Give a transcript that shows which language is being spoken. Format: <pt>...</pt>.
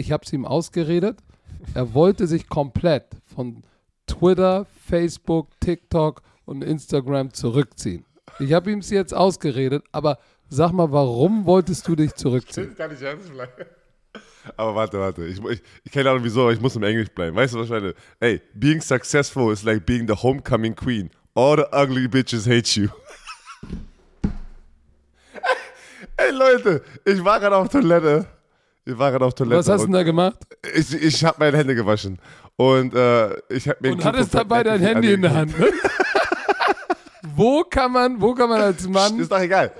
<de>Ich habe es ihm ausgeredet. Er wollte sich komplett von Twitter, Facebook, TikTok und Instagram zurückziehen. Ich habe ihm es jetzt ausgeredet, aber sag mal, warum wolltest du dich zurückziehen? Ich kann nicht ernst bleiben. Aber warte. Ich keine Ahnung wieso, aber ich muss im Englisch bleiben. Weißt du wahrscheinlich?</de> <en>Hey, being successful is like being the homecoming queen. All the ugly bitches hate you.</en> <de>Ey, Leute, ich war gerade auf Toilette. Was hast du da gemacht? Ich habe meine Hände gewaschen. Und ich habe mir... Und hattest dabei dein Handy in der Hand, ne? Wo kann man als Mann... Ist doch egal.</de>